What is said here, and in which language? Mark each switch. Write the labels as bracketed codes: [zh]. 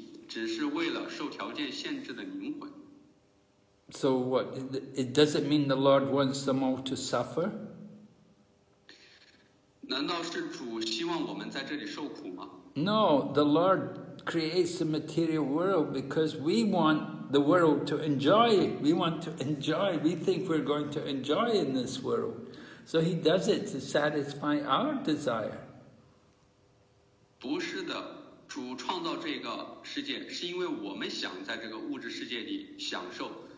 [zh] 事实上主他不想创造这个物质世界创造维系和毁灭他做这一切的目的只是为了受条件限制的灵魂。 [en] So what, does it mean the Lord wants them all to suffer? [zh] 难道是主希望我们在这里受苦吗? [en] No, the Lord creates the material world because we want the world to enjoy. We want to enjoy. We think we're going to enjoy in this world. So he does it to satisfy our desire. [zh] 不是的，主创造这个世界是因为我们想在这个物质世界里享受。